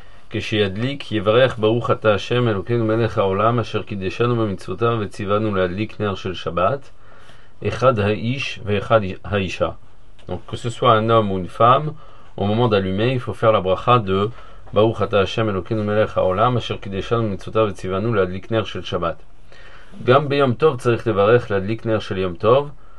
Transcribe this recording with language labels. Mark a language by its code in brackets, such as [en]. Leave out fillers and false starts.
[he] כשידליק יברך ברוך אתה השם אלוקינו מלך העולם אשר קידשנו במצוותיו וציוונו להדליק נר של שבת אחד האיש ואחד האישה. [fr] Donc que ce soit un homme ou une femme, au moment d'allumer, il faut faire la bracha de [he] ברוך אתה השם אלוקינו מלך העולם אשר קידשנו במצוותיו וציוונו להדליק נר של שבת. גם ביום טוב צריך לברך להדליק נר של יום טוב.